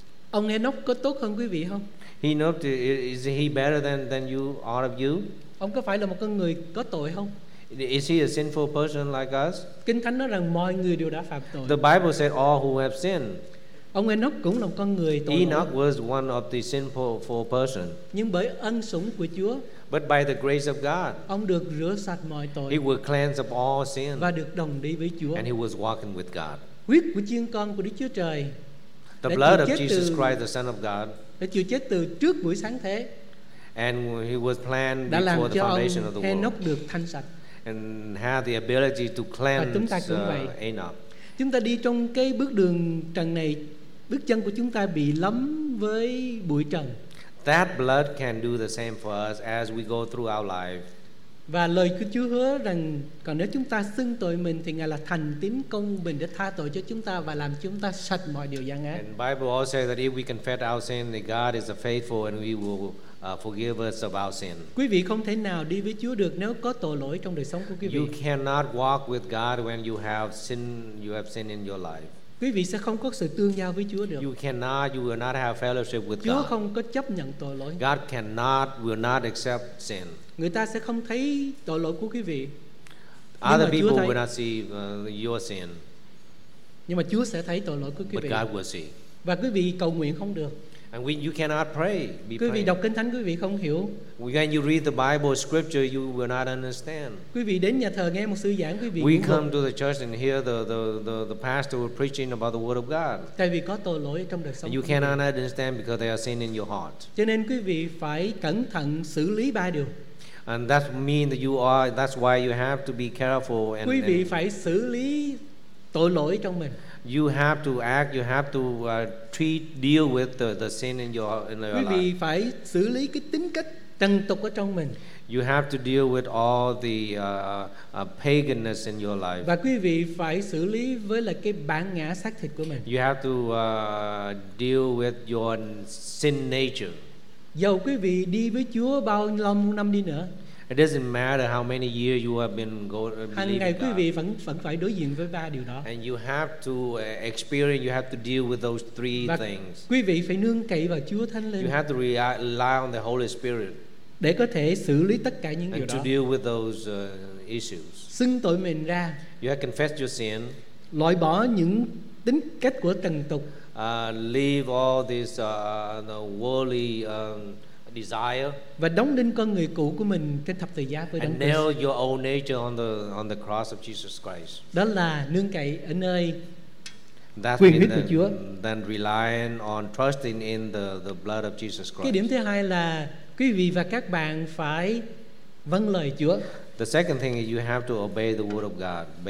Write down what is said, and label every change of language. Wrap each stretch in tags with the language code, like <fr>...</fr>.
<vi>Ông Enoch có tốt hơn quý vị không?</vi> <en>He not, is he better than you, all of you?</en> <vi>Ông có phải là một con người có tội không?</vi> <en>Is he a sinful person like us?</en> <vi>Kinh Thánh nói rằng mọi người đều đã phạm tội.</vi> <en>The Bible said all who have sinned.</en> <vi>Ông Enoch cũng là một con người tội lỗi.</vi> <en>Enoch was one of the sinful person.</en> <vi>Nhưng bởi ân sủng của Chúa.</vi> <en>But by the grace of God.</en> <vi>Ông được rửa sạch mọi tội.</vi> <en>He was cleansed of all sin.</en> <vi>Và được đồng đi với Chúa.</vi> <en>And he was walking with God.</en> <vi>Huyết của chiên con của Đức Chúa Trời.</vi> <en>The blood of Jesus Christ, the Son of God.</en> <vi>Đã chịu chết từ trước buổi sáng thế.</vi> <en>And he was planned before the foundation of the world.</en> <vi>Đã làm cho ông Enoch được thanh sạch.</vi> <en>And had the ability to cleanse.</en> <vi>Và chúng ta cũng vậy.</vi> <en>Enoch.</en> <vi>Chúng ta đi trong cái bước đường trần này, bước chân của chúng ta bị lấm với bụi trần.</vi> <en>That blood can do the same for us as we go through our life.</en> <vi>Và lời của Chúa hứa rằng còn nếu chúng ta xưng tội mình thì Ngài là thành tín công bình để tha tội cho chúng ta và làm chúng ta sạch mọi điều gian ác.</vi> <en>And Bible also says that if we confess our sin, that God is faithful and we will forgive us of our sin.</en> <vi>Quý vị không thể nào đi với Chúa được nếu có tội lỗi trong đời sống của quý vị.</vi> <en>You cannot walk with God when you have sin in your life.</en> <vi>Quý vị sẽ không có sự tương giao với Chúa được.</vi> <en>You will not have fellowship with God.</en> <vi>Chúa không có chấp nhận tội lỗi.</vi> <en>God will not accept sin.</en> <vi>Người ta sẽ không thấy tội lỗi của quý vị.</vi> <en>Other people will not see your sin.</en> <vi>Nhưng mà Chúa sẽ thấy tội lỗi của quý</vi> <en>vị. But God will see.</en> <vi>Và quý vị cầu nguyện không được.</vi> <en>And when you cannot pray.</en> <vi>Quý vị đọc Kinh Thánh quý vị không hiểu.</vi> <en>When you read the Bible scripture you will not understand.</en> <vi>Quý vị đến nhà thờ nghe một sư giảng quý vị.</vi> <en>We come to the church and hear the pastor preaching about the word of God.</en> <vi>Tại vì có tội lỗi trong đời sống.</vi> <en>And you cannot understand because there are sin in your heart.</en> <vi>Cho nên quý vị phải cẩn thận xử lý ba điều.</vi> <en>And that means that that's why you have to be careful and</en> <vi>quý vị phải xử lý tội lỗi trong mình.</vi> <en>You have to act, you have to deal with the sin in your</en> <vi>quý</vi> <en>life.</en> <vi>Quý vị phải xử lý cái tính cách trần tục ở trong mình.</vi> <en>You have to deal with all the paganness in your life.</en> <vi>Và quý vị phải xử lý với là cái bản ngã xác thịt của mình.</vi> <en>You have to deal with your sin nature.</en> <vi>Dầu quý vị đi với Chúa bao nhiêu năm đi nữa.</vi> <en>It doesn't matter how many years you have been going.</en> <vi>Hàng ngày quý vị vẫn phải đối diện với ba điều đó.</vi> <en>And you have to experience, you have to deal with those three things.</en> <vi>Quý vị phải nương cậy vào Chúa Thánh Linh.</vi> <en>You have to rely on the Holy Spirit.</en> <vi>Để có thể xử lý tất cả những điều đó.</vi> <en>And to deal with those issues.</en> <vi>Xưng tội mình ra.</vi> <en>You have to confess your sin.</en> <vi>Loại bỏ những tính cách của trần tục.</vi> <en>Leave all this worldly desire.</en> <vi>Và đóng đinh con người cũ của mình trên thập tự giá với Đấng Christ.</vi> <en>And nail your old nature on the cross of Jesus Christ.</en> <vi>Đó là nương cậy ở nơi That quyền huyết của Chúa.</vi> <en>Then relying on trusting in the blood of Jesus Christ.</en> <vi>Cái điểm thứ hai là quý vị và các bạn phải vâng lời Chúa.</vi> <en>The second thing is you have to obey the word of God.</en>